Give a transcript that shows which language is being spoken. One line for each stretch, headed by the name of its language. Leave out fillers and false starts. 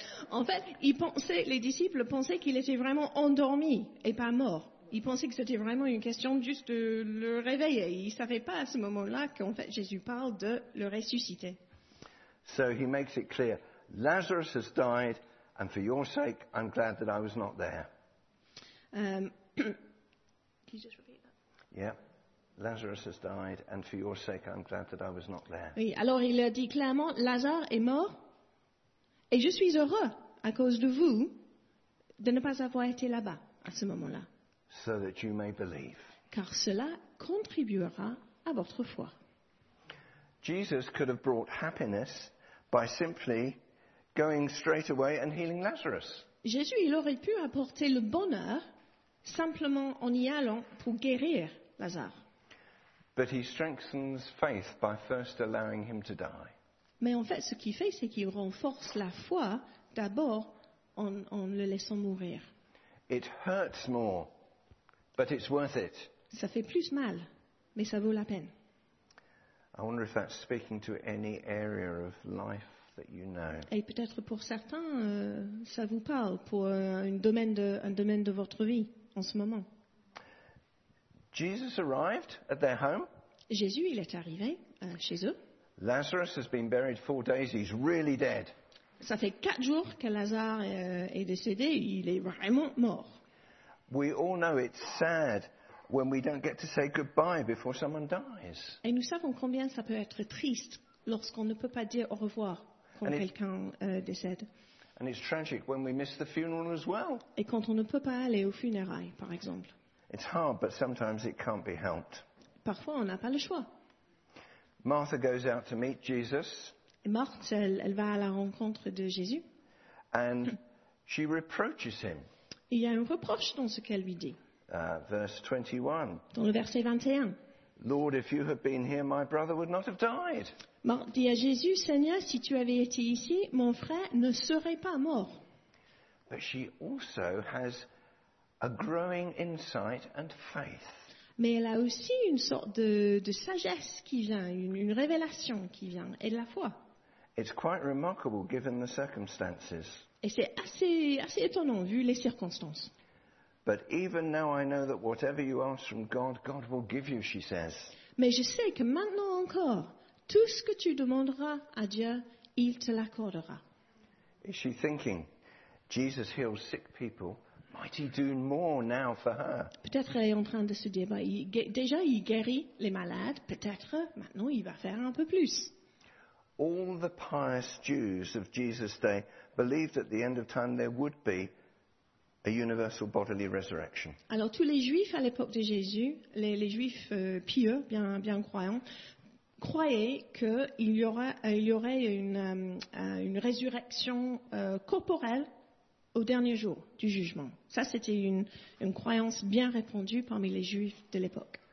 French: En fait, les disciples pensaient qu'il était vraiment endormi et pas mort. Ils pensaient que c'était vraiment une question juste de le réveiller. Ils ne savaient pas à ce moment-là qu'en fait Jésus parle de le ressusciter.
English: So he makes it clear, Lazarus has died, and for your sake, I'm glad that I was not there. Can you just repeat that? Yeah. Lazarus has died, and for your sake, I'm glad that I was not there.
French: Oui, alors il a dit clairement, Lazare est mort. Et je suis heureux à cause de vous de ne pas avoir été là-bas à ce moment-là.
English: So that you may believe.
French: Car cela contribuera à votre foi.
English: Jesus could have brought happiness by simply going straight away and healing Lazarus.
French: Jésus, il aurait pu apporter le bonheur simplement en y allant pour guérir Lazare.
English: But he strengthens faith by first allowing him to die.
French: Mais en fait, ce qu'il fait, c'est qu'il renforce la foi d'abord en le laissant mourir.
English: It hurts more, but it's worth it.
French: Ça fait plus mal, mais ça vaut la peine.
English: I wonder if that's speaking to any area of life that you know.
French: Et peut-être pour certains, ça vous parle pour un domaine de votre vie en ce moment.
English: Jesus arrived at their home.
French: Jésus, il est arrivé chez eux.
English: Lazarus has been buried 4 days. He's really dead.
French: Ça fait 4 jours que Lazare est décédé. Il est vraiment mort.
English: We all know it's sad when we don't get to say goodbye before someone dies.
French: Et nous savons combien ça peut être triste lorsqu'on ne peut pas dire au revoir quand quelqu'un décède.
English: And it's tragic when we miss the funeral as well.
French: Et quand on ne peut pas aller aux funérailles, par exemple.
English: It's hard, but sometimes it can't be helped.
French: Parfois, on n'a pas le choix.
English: Martha goes out to meet Jesus.
French: Marthe, elle va à la rencontre de Jésus.
English: And she reproaches him.
French: Il y a un reproche dans ce qu'elle lui dit.
English: Verse 21.
French: Dans le verset 21.
English: Lord, if you had been here, my brother would not have died.
French: Dit à Jésus, Seigneur, si tu avais été ici, mon frère ne serait pas mort.
English: But she also has a growing insight and faith.
French: Mais elle a aussi une sorte de sagesse qui vient, une révélation qui vient, et de la foi.
English: It's quite remarkable given the circumstances.
French: Et c'est assez étonnant vu les circonstances.
English: But even now I know that whatever you ask from God, God will give you, she says.
French: Mais je sais que maintenant encore, tout ce que tu demanderas à Dieu, il te l'accordera.
English: Is she thinking, Jesus heals sick people, might he do more now for her?
French: Peut-être elle est en train de se dire, déjà il guérit les malades, peut-être maintenant il va faire un peu plus.
English: All the pious Jews of Jesus' day believed at the end of time there would be a universal bodily resurrection.
French: Alors tous les Juifs à l'époque de Jésus, les Juifs pieux, bien croyants, croyaient qu'il y aurait une résurrection corporelle au dernier jour du jugement. Ça, c'était une croyance bien répandue parmi les Juifs de l'époque.